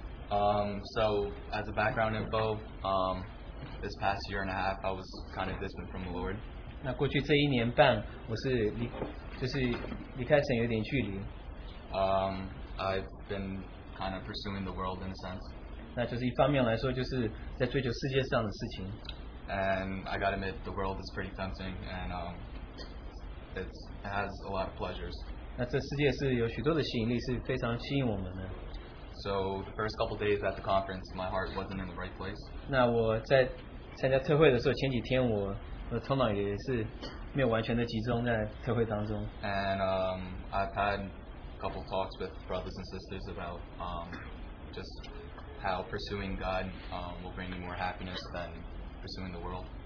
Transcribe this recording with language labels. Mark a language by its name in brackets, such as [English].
[English] So as a background info, this past year and a half, I was kind of distant from the Lord. [Chinese] 那过去这一年半，我是离开神有点距离。 [English] I've been kind of pursuing the world in a sense. [Chinese] 那就是一方面来说，就是在追求世界上的事情。 [English] And I gotta admit, the world is pretty tempting, and it has a lot of pleasures. [Chinese] 那这世界是有许多的吸引力，是非常吸引我们的。 [English] So the first couple days at the conference, my heart wasn't in the right place. [Chinese] 那我在参加特会的时候，前几天我的头脑也是没有完全的集中在特会当中。 [English] And I've had couple talks with brothers and sisters about just how pursuing God will bring you more happiness than pursuing the world.